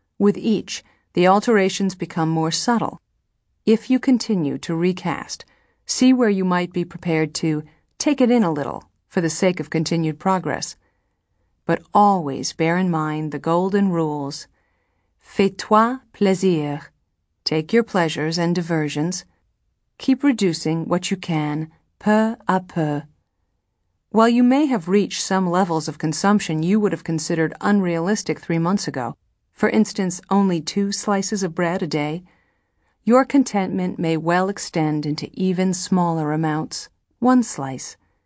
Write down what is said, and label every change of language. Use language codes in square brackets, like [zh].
[en] With each, the alterations become more subtle. If you continue to recast, see where you might be prepared to take it in a little for the sake of continued progress. But always bear in mind the golden rules. [fr] Fais-toi plaisir. [en] Take your pleasures and diversions. Keep reducing what you can, [fr] peu à peu. [en] While you may have reached some levels of consumption you would have considered unrealistic 3 months ago, for instance, only 2 slices of bread a day, your contentment may well extend into even smaller amounts, 1 slice.